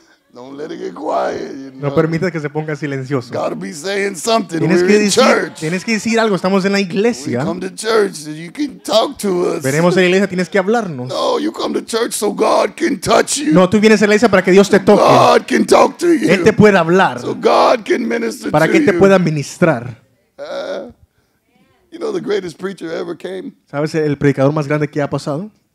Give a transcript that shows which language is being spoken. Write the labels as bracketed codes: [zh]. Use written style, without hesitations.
[en] Don't let it get quiet, you know? [es] No permitas que se ponga silencioso. [en] Gotta be saying something. [es] Tienes que decir, [en] church. [es] Tienes que decir algo, estamos en la iglesia. [en] We come to church, so you can talk to us. [es] Venimos a la iglesia, tienes que hablarnos. [en] No, you come to church so God can touch you. [es] No, tú vienes a la iglesia para que Dios te toque. [en] God can talk to you. [es] Él te puede hablar. [en] So God can minister [es] para [en] to [es] que [en] you. [es] Te pueda ministrar. [en] You know the greatest preacher ever came? [es] ¿Sabes el predicador más grande que ha pasado?